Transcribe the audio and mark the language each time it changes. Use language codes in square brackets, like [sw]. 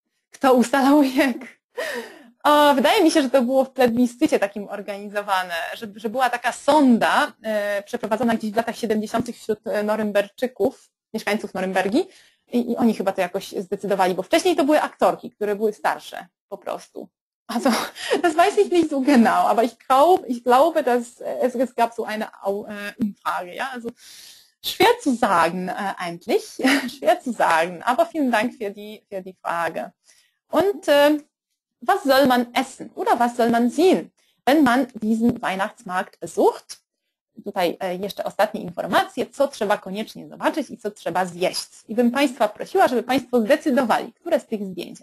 [pl] Kto ustalał jak? O, wydaje mi się, że to było w plebiscycie takim organizowane, że była taka sonda przeprowadzona gdzieś w latach 70. wśród Norymberczyków, mieszkańców Norymbergi i oni chyba to jakoś zdecydowali, bo wcześniej to były aktorki, które były starsze po prostu. [de] Also, das weiß ich nicht so genau, aber ich glaube, dass es gab so eine Umfrage, ja. Also, schwer zu sagen, eigentlich. Schwer zu sagen. Aber vielen Dank für die Frage. Und, was soll man essen? Oder was soll man sehen, wenn man diesen Weihnachtsmarkt besucht? [pl] Tutaj jeszcze ostatnie informacje, co trzeba koniecznie zobaczyć i co trzeba zjeść. I bym Państwa prosiła, żeby Państwo zdecydowali, które z tych zdjęć.